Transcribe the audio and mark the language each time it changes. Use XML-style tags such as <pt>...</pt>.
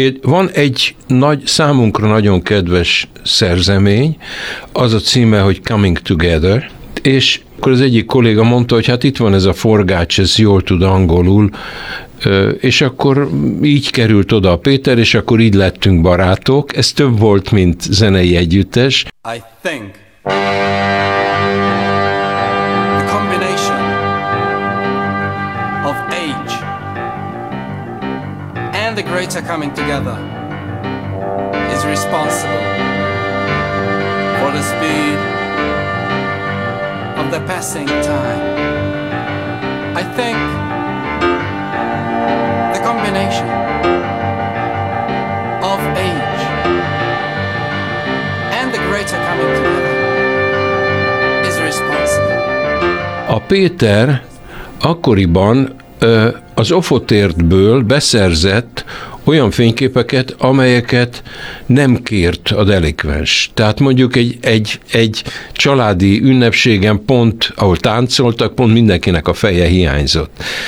<hu>Van egy nagy, számunkra nagyon kedves szerzemény, az a címe, hogy Coming Together, és akkor az egyik kolléga mondta, hogy hát itt van ez a Forgács, ez jól tud angolul, és akkor így került oda a Péter, és akkor így lettünk barátok. Ez több volt, mint zenei együttes.</hu> <en>I think the combination of age and the greater coming together is responsible for the speed of the passing time. I think combination of age and the greater coming together is responsible.</en> <hu>A Péter akkoriban az Ofotértből beszerzett olyan fényképeket, amelyeket nem kért a delikvens. Tehát mondjuk egy családi ünnepségen pont, ahol táncoltak, pont mindenkinek a feje hiányzott.</hu>